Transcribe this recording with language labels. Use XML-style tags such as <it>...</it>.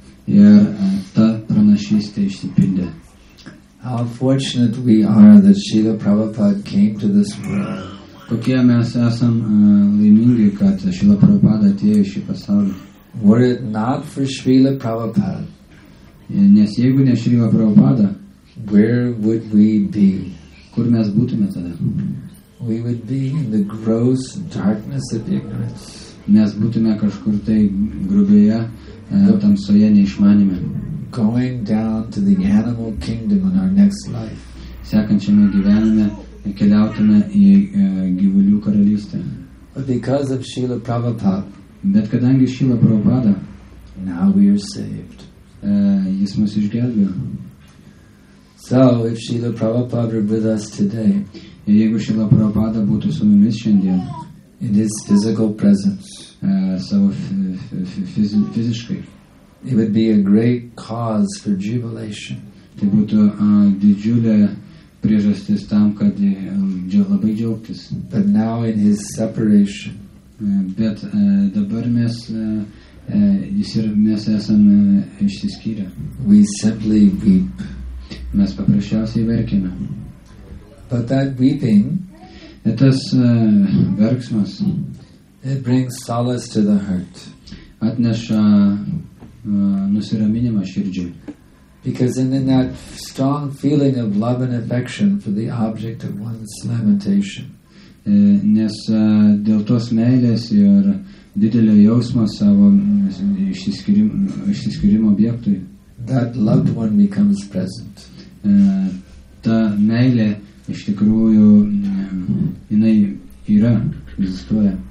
<lt>Ir ta pranašystė išsipildė.</lt> <en>How fortunate we are that Srila Prabhupada came to this world.</en> <lt>Kokie mes esam laimingi, kad Srila Prabhupada atėjo į šį pasaulį.</lt> <en>Were it not for Srila Prabhupada,</en> <lt>nes jeigu ne Srila Prabhupada,</lt> <en>where would we be?</en> <lt>Kur mes būtume tada?</lt> <en>We would be in the gross darkness of ignorance.</en> <lt>Mes būtume kažkur tai grubėje, tamsoje neišmanime.</lt> <en>Going down to the animal kingdom in our next life.</en> <lt>Sekančiame gyvenime keliautume į gyvulių karalystę.</lt> <en>But because of Srila Prabhupada,</en> <lt>bet kadangi Srila Prabhupada,</lt> <en>now we are saved.</en> <lt>Jis mus išgelbėjo.</lt> <en>So, if Srila Prabhupada were with us today,</en> <lt>ir jeigu Srila Prabhupada būtų su mumis šiandien,</lt> <en>in his physical presence,</en> <lt>savo fiziškai,</lt> <en>it would be a great cause for jubilation.</en> <lt>Tai būtų didžiulė priežastis tam, kad labai džiaugtis.</lt> <en>But now in his separation,</en> <lt>bet dabar mes mes esame išsiskyrę.</lt> <en>We simply weep.</en> <lt>Mes paprasčiausiai verkime.</lt> <en>But that weeping,</en> <lt>tas verksmas,</lt> <en>it brings solace to the heart.</en> <lt>Atneša nusiraminimą širdžiui.</lt> <en>Because in that strong feeling of love and affection for the object of one's lamentation.</en> <lt>Nes dėl tos meilės ir didelio jausmo savo išsiskirimo objektui.</lt> <en>That loved one becomes present.</en> <lt>Ta meilė iš tikrųjų jinai yra, egzistuoja.</lt>